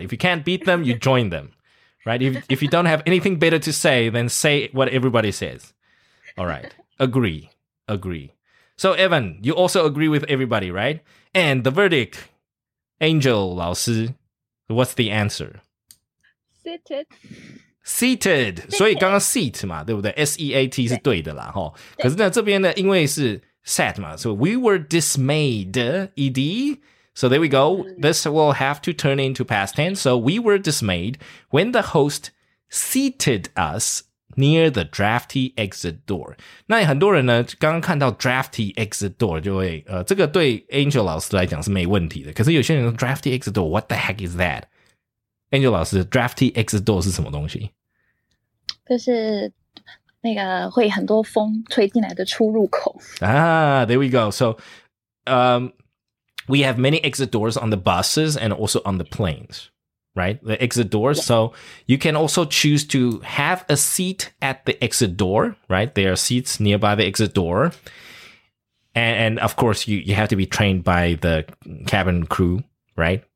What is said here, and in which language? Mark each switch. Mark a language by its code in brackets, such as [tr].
[en] If you can't beat them, you join them. Right? If you don't have anything better to say, then say what everybody says. All right. Agree. So, Evan, you also agree with everybody, right? And the verdict, [zh] Angel 老师, [en] what's the answer? Seated. [zh] 所以刚刚 seat 嘛，对不对？ S-E-A-T 是对的啦，哈。可是呢，这边呢，因为是 sat 嘛，所以 [en] we were dismayed, [zh] E-D. [en] So there we go. This will have to turn into past tense. So we were dismayed when the host seated us. Near the drafty exit door. [zh] 那很多人呢刚刚看到 drafty exit door 就会这个对 Angel 老师来讲是没问题的。可是有些人说 drafty exit door, [en] what the heck is that? [zh] Angel 老师 drafty exit door 是什么东西就是那个会很多风吹进来的出入口。 [en] Ah, there we go. So, we have many exit doors on the buses and also on the planes. Right, the exit door. Yeah. So you can also choose to have a seat at the exit door, right? There are seats nearby the exit door. And of course, you have to be trained by the cabin crew, right?